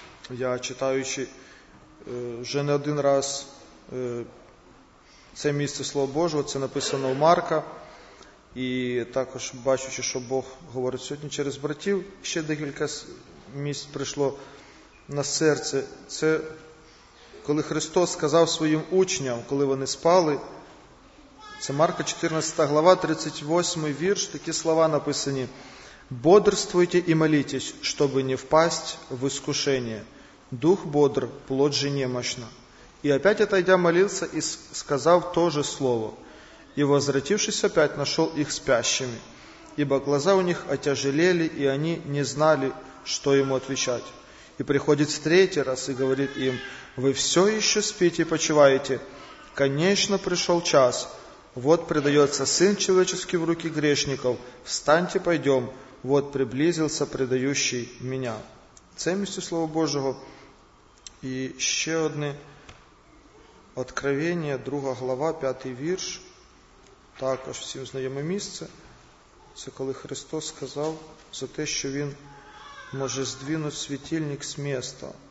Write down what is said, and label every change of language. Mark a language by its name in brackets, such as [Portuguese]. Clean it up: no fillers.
[Ukrainian] Я, читаючи вже не один раз це місце Слова Божого, це написано у Марка, і також бачучи, що Бог говорить сьогодні через братів, ще декілька місць прийшло на серце. Це коли Христос сказав своїм учням, коли вони спали, це Марка 14 глава, 38 вірш, такі слова написані: [Russian] «Бодрствуйте і молітесь, щоби не впасть в іскушення. Дух бодр, плоть же немощна». И опять отойдя молился и сказав то же слово. И возвратившись опять, нашел их спящими, ибо глаза у них отяжелели, и они не знали, что ему отвечать. И приходит в третий раз и говорит им: «Вы все еще спите и почиваете? Конечно, пришел час. Вот предается Сын Человеческий в руки грешников. Встаньте, пойдем. Вот приблизился предающий меня». [Ukrainian] Це місце Слова Божого. І ще одне Откровення, 2 глава, 5 вірш. Також всім знайоме місце. Це коли Христос сказав за те, що Він може здвинути світильник з міста.